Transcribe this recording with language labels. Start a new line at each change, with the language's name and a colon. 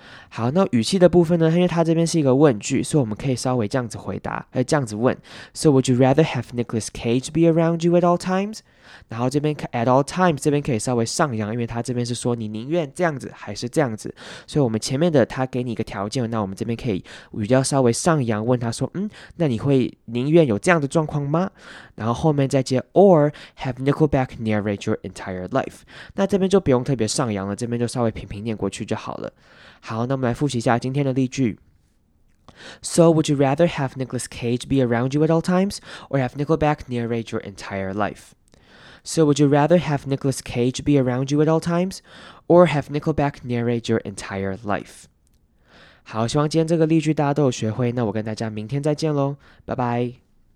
Chinese: 好，那语气的部分呢，因为它这边是一个问句，所以我们可以稍微这样子回答，这样子问。
English: So would you rather have Nicolas Cage be around you at all times?
Chinese: 然后这边 at all times 这边可以稍微上扬，因为它这边是说你宁愿这样子还是这样子，所以我们前面的它给你一个条件，那我们这边可以语调稍微上扬，问他说那你会宁愿有这样的状况吗？然后后面再接
English: or have Nickelback narrate your entire life，
Chinese: 那这边就不用特别上扬了，这边就稍微平平念过去就好了。好，那我们来复习一下今天的例句。
English: So would you rather have Nicolas Cage be around you at all times, or have Nickelback narrate your entire life? So would you rather have Nicolas Cage be around you at all times, or have Nickelback narrate your entire life?
Chinese: 好，希望今天这个例句大家都有学会，那我跟大家明天再见咯，拜拜。